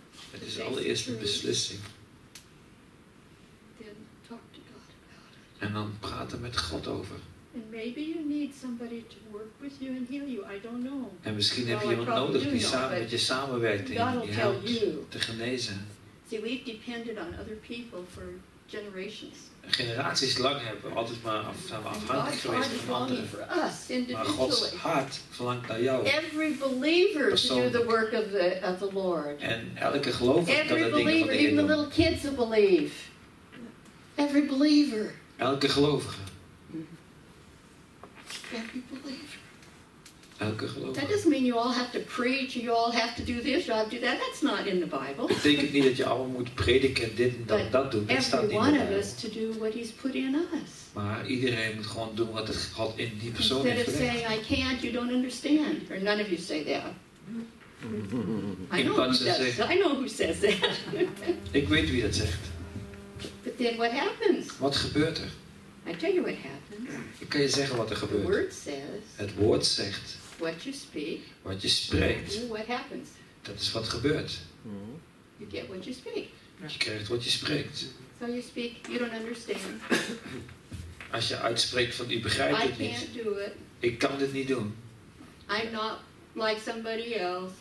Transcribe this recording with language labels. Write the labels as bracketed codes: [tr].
[nl] Het is allereerst een beslissing. [en] Then talk to God about it. [nl] En dan praten met God over. [en] And maybe you need somebody to work with you and heal you. I don't know. [nl] En misschien heb je iemand nodig die samen met je samenwerkt en je helpt te genezen. [en] See, we've depended on other people for generations. [nl] Generaties lang hebben we altijd maar afhankelijk geweest van anderen. Maar Gods hart verlangt naar jou. [en] Every believer to do the work of the Lord. [nl] En elke gelovige kan de dingen van de Heer doen. [en] Even the little kids who believe. Every believer. [nl] Elke gelovige. [en] Every believer. [nl] Elke gelovige. [en] That doesn't mean you all have to preach, you all have to do this, you all have to do that. That's not in the Bible. [nl] Dat betekent niet dat je allemaal moet prediken, dit en dat, dat doen. Dat staat niet in de Bijbel. [en] Every one of us to do what he's put in us. [nl] Maar iedereen moet gewoon doen wat God in die persoon heeft verlegd. [en] Instead of saying, I can't, you don't understand. Or none of you say that. I know who says that. [nl] Ik weet wie dat zegt. [en] But then what happens? [nl] Wat gebeurt er? [en] I tell you what happens. [nl] Ik kan je zeggen wat er gebeurt. [en] The word says. [nl] Het woord zegt. [en] What you speak. [nl] Wat je spreekt. [en] What happens. [nl] Dat is wat gebeurt. [en] You get what you speak. [nl] Je krijgt wat je spreekt. [en] So you speak, you don't understand. [nl] Als je uitspreekt van u begrijpt het niet. [en] I can't do it. [nl] Ik kan dit niet doen. [en] I'm not like somebody else.